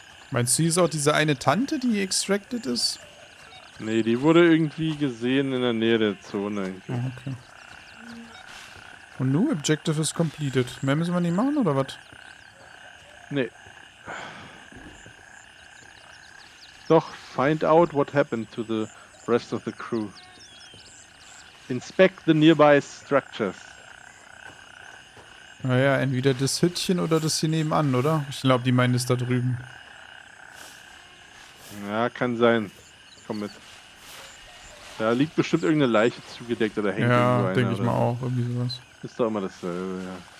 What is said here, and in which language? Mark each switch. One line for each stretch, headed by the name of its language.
German: Meinst du, hier ist auch diese eine Tante, die hier extracted ist? Nee, die wurde irgendwie gesehen in der Nähe der Zone eigentlich.
English: Oh, okay.
German: Und nun,
English: Objective is completed.
German: Mehr müssen wir nicht machen, oder was? Nee. Doch,
English: find out what happened to the rest of the crew. Inspect the nearby structures.
German: Naja, entweder das Hütchen oder das hier nebenan, oder? Ich glaube, die meinen es da drüben. Ja, kann sein. Komm mit. Da liegt bestimmt irgendeine Leiche zugedeckt oder hängt irgendwo einer. Ja, denke ich mal auch. Irgendwie sowas. Ist doch immer dasselbe, ja.